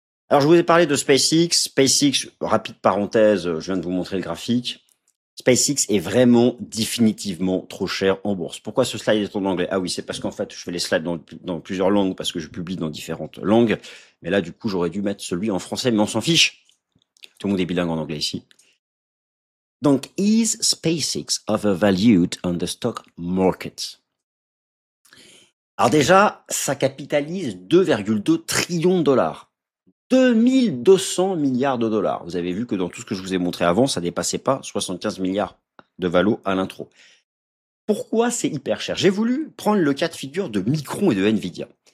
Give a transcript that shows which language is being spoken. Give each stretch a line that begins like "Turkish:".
French: Alors, je vous ai parlé de SpaceX. SpaceX, rapide parenthèse, je viens de vous montrer le graphique. SpaceX est vraiment définitivement trop cher en bourse. Pourquoi ce slide est en anglais? Ah oui, c'est parce qu'en fait, je fais les slides dans plusieurs langues parce que je publie dans différentes langues. Mais là, du coup, j'aurais dû mettre celui en français, mais on s'en fiche. Tout le monde est bilingue en anglais ici. Donc,
English: is SpaceX overvalued on the stock market?
French: Alors déjà, ça capitalise 2,2 trillions de dollars. 2200 milliards de dollars. Vous avez vu que dans tout ce que je vous ai montré avant, ça dépassait pas 75 milliards de valo à l'intro. Pourquoi c'est hyper cher? J'ai voulu prendre le cas de figure de Micron et de Nvidia.